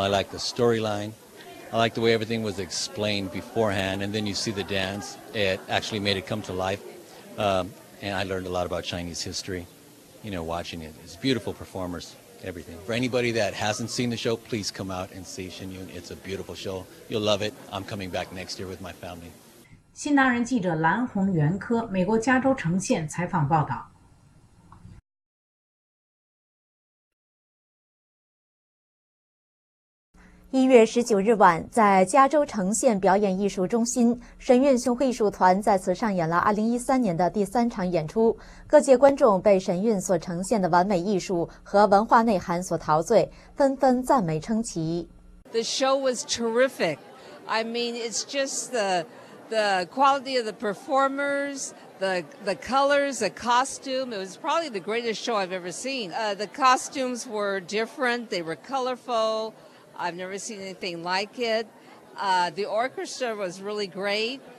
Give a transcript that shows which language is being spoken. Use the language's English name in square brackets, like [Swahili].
[English] I like the storyline. I like the way everything was explained beforehand, and then you see the dance. It actually made it come to life. And I learned a lot about Chinese history, you know, watching it. It's beautiful performers, everything. For anybody that hasn't seen the show, please come out and see Shen Yun. It's a beautiful show. You'll love it. I'm coming back next year with my family. [Chinese] 新唐人记者蓝红袁科，美国加州呈现采访报道。 1月19日晚，在加州呈现表演艺术中心，神韵巡回艺术团在此上演了2013年的第三场演出。各界观众被神韵所呈现的完美艺术和文化内涵所陶醉，纷纷赞美称奇。 [English] The show was terrific. I mean, it's just the quality of the performers, the colors, the costume. It was probably the greatest show I've ever seen. The costumes were different. They were colorful. I've never seen anything like it. The orchestra was really great.